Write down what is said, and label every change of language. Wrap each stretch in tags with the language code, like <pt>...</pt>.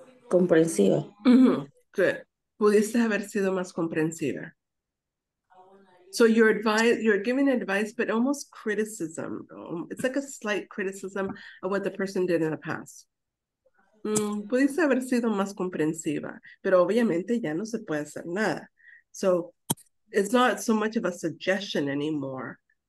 <es>Comprensiva. Mm-hmm. Pudiste haber sido más comprensiva.</es> <en>So your advice, you're giving advice, but almost criticism. It's like a slight criticism of what the person did in the past.</en> <es>Pudiste haber sido más comprensiva, pero obviamente ya no se puede hacer nada.</es> <en>So it's not so much of a suggestion anymore.</en>